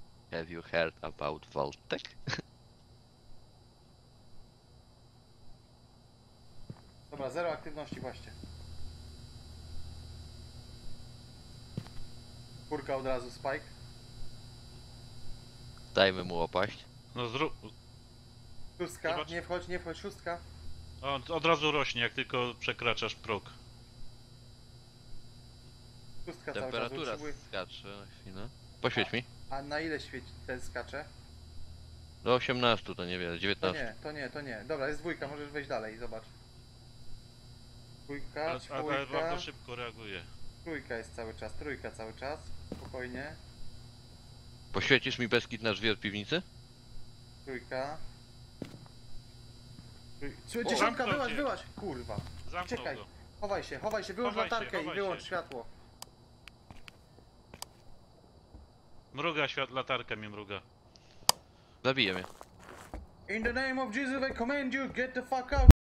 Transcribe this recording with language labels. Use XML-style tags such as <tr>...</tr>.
<en>Have you heard about Vault-Tec?</en> <pl>Dobra, zero aktywności właśnie. Czwórka od razu, Spike. Dajmy mu opaść. No zrób... Szóstka, zobacz. Nie wchodź, szóstka. On od razu rośnie, jak tylko przekraczasz próg. Pustka temperatura cały czas skacze na chwilę. Poświeć a, mi. A na ile świeci ten skacze? Do 18 to niewiele, 19. To nie. Dobra, jest dwójka, możesz wejść dalej, zobacz. Dwójka, ale bardzo szybko reaguje. Trójka jest cały czas, trójka cały czas. Spokojnie. Poświecisz mi Beskid na drzwi od piwnicy? Trójka. Trójka. Dziesiątka, wyłaź, wyłaź! Kurwa. Zamknął. Czekaj, go. Chowaj się, wyłącz latarkę i wyłącz się. Światło. Mruga świat, latarka mi mruga. Zabiję mnie.</pl> <en>In the name of Jesus, I command you, get the fuck out!</en>